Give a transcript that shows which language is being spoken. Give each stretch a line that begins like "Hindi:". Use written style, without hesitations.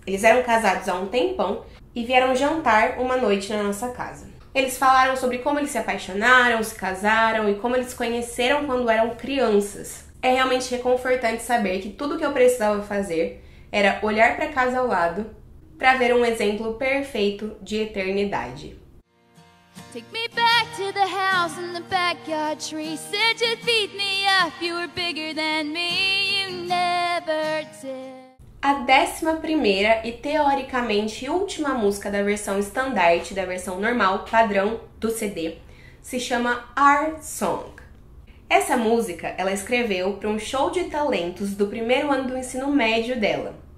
Portuguese: Eles eram casados há um tempão e vieram jantar uma noite na nossa casa. Eles falaram sobre como eles se apaixonaram, se casaram e como eles se conheceram quando eram crianças. É realmente reconfortante saber que tudo que eu precisava fazer era olhar para a casa ao lado para ver um exemplo perfeito de eternidade.
English: Take me back to the house in the backyard tree. Said you'd beat me up, you were bigger than me. You never did.
Portuguese: A 11ª e teoricamente última música da versão estandarte, da versão normal, padrão do CD, se chama Our Song. Essa música ela escreveu para um show de talentos do primeiro ano do ensino médio dela.